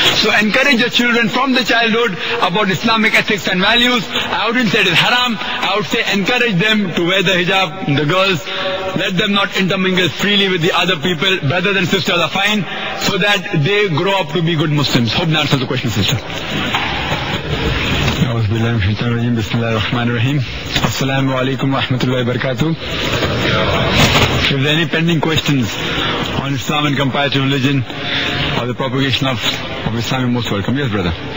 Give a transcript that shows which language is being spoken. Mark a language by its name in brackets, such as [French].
[English] So encourage your children from the childhood about Islamic ethics and values. I wouldn't say it is haram. I would say encourage them to wear the hijab, the girls. Let them not intermingle freely with the other people. Brothers and sisters are fine, so that they grow up to be good Muslims. Hope that answers the question, sister. [Arabic] بسم الله الرحمن الرحيم. السلام عليكم ورحمة الله وبركاته. [English] If there are any pending questions on Islam and comparative religion or the propagation of Islam, you're most welcome. Yes, brother.